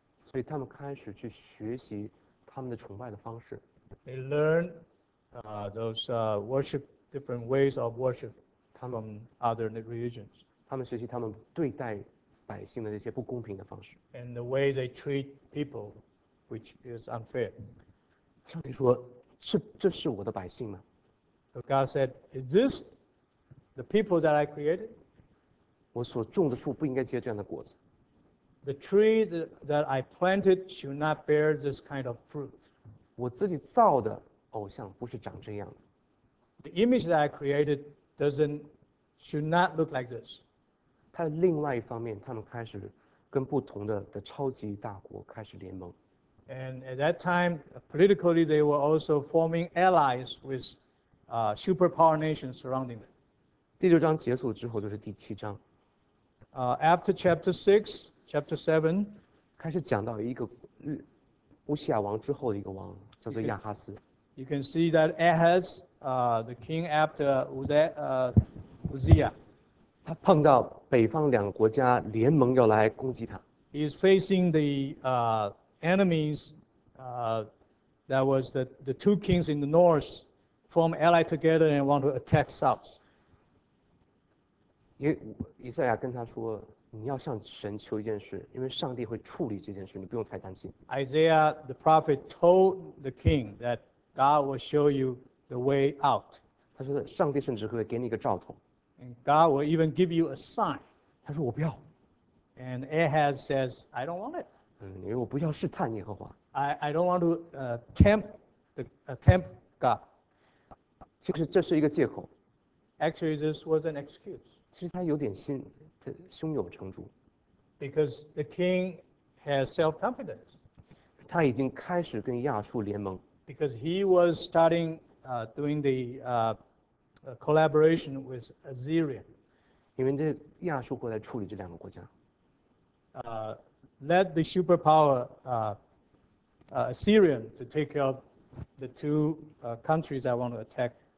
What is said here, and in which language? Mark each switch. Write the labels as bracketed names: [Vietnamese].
[Chinese] 所以他们开始去学习他们的崇拜的方式。 [English] They learned different ways of worship from other religions. [Chinese] 他们学习他们对待百姓的那些不公平的方式。 [English] And the way they treat people, which is unfair. [Chinese] 上帝说，这是我的百姓吗？ [English] So God said, is this the people that I created? [Chinese] 我所种的树不应该结这样的果子。 [English] The trees that I planted should not bear this kind of fruit. [Chinese] 我自己造的偶像不是长这样的。 [English] The image that I created doesn't, should not look like this. [Chinese] 他另外一方面，他们开始跟不同的超级大国开始联盟。 [English] And at that time, politically, they were also forming allies with superpower nations surrounding them. [Chinese] 第六章结束之后就是第七章。 [English] After chapter 6, chapter 7, [Chinese] 开始讲到一个乌西亚王之后的一个王，叫做亚哈斯。 [English] You can see that Ahaz, the king after Uzziah. [Chinese] 他碰到北方两个国家联盟要来攻击他。 [English] He is facing the enemies that was the two kings in the north form ally together and want to attack south. [Chinese] 以赛亚跟他说，你要向神求一件事，因为上帝会处理这件事，你不用太担心。 [English] Isaiah the prophet told the king that God will show you the way out. [Chinese] 他说上帝甚至会给你一个兆头。 [English] And God will even give you a sign. [Chinese] 他说我不要。 [English] And Ahaz says, I don't want it. [Chinese] 因为我不要试探耶和华。 [English] I don't want to tempt God. [Chinese] 其实这是一个借口。 [English] Actually, this was an excuse. [Chinese] 其实他有点心，他胸有成竹。 [English] Because the king has self-confidence. [Chinese] 他已经开始跟亚述联盟。 [English] Because he was starting doing the collaboration with Assyria. [Chinese] 因为这亚述过来处理这两个国家。 [English] Let the superpower Assyrian to take care of the two countries that want to attack